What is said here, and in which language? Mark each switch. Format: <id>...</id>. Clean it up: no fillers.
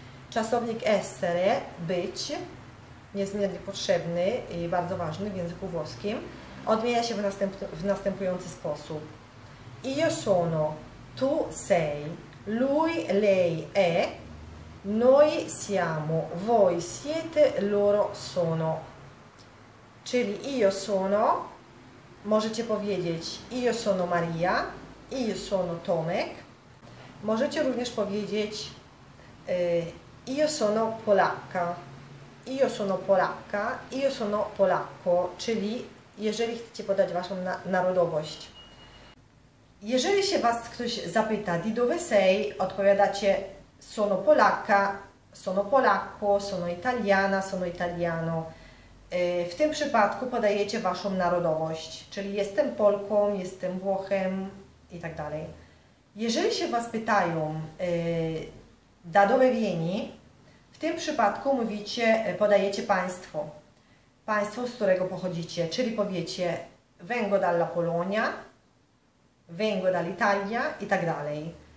<pl>Czasownik essere, być, niezmiernie potrzebny i bardzo ważny w języku włoskim, odmienia się w następujący sposób.</pl> <it>Io sono, tu sei, lui, lei è, noi siamo, voi siete, loro sono.</it> <pl>Czyli</pl> <it>io sono,</it> <pl>możecie powiedzieć</pl> <it>io sono Maria, io sono Tomek.</it> <pl>Możecie również powiedzieć</pl> <it>io sono Polacca, io sono Polacca, io sono Polacco,</it> <pl>czyli jeżeli chcecie podać waszą narodowość. Jeżeli się was ktoś zapyta</pl> <it>di dove sei,</it> <pl>odpowiadacie</pl> <it>sono Polacca, sono Polacco, sono Italiana, sono Italiano.</it> <pl>W tym przypadku podajecie waszą narodowość, czyli jestem Polką, jestem Włochem i tak dalej. Jeżeli się was pytają</pl> <it>da dove vieni,</it> <pl>w tym przypadku mówicie, podajecie państwo. Państwo, z którego pochodzicie, czyli powiecie</pl> <it>vengo dalla Polonia, vengo dall'Italia</it> <pl>i tak dalej.</pl>